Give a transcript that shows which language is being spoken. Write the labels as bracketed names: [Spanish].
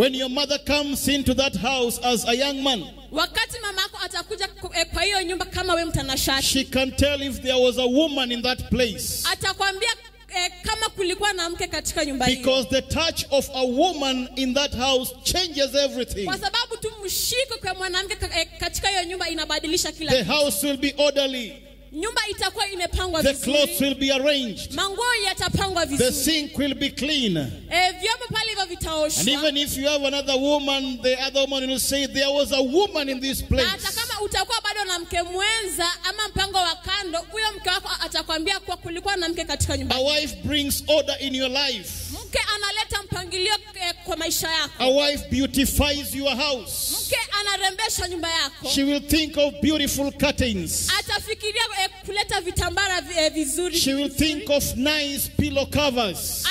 [English] When your mother comes into that house as a young man, [Swahili] wakati mama yako atakuja kwa hiyo nyumba kama wewe mtanashati, [English] she can tell if there was a woman in that place. [Swahili] Atakwambia kama kulikuwa na mke katika nyumba hiyo. [English] Because the touch of a woman in that house changes everything. [Swahili] Kwa sababu tu mshiko kwa mwanamke katika hiyo nyumba inabadilisha kila kitu. [English] The house will be orderly. [Swahili] Nyumba itakuwa imepangwa vizuri. [English] The clothes will be arranged. [Swahili] Manguo yatapangwa vizuri. [English] The sink will be clean. [Swahili] Vyombo pale hivyo vitaoshwa. [English] And even if you have another woman, the other woman will say there was a woman in this place. [Swahili] Hata kama utakuwa bado na mke mwenza ama mpango wa kando, huyo mke wako atakwambia kwa kulikuwa na mke katika nyumba. [English] A wife brings order in your life. [Swahili] Mke analeta mpangilio kwa maisha yako. [English] A wife beautifies your house. [Swahili] Mke anarembesha nyumba yako. [English] She will think of beautiful curtains. [Swahili] Atafikiria kuleta vitambara vizuri. [English] She will think of nice pillow covers.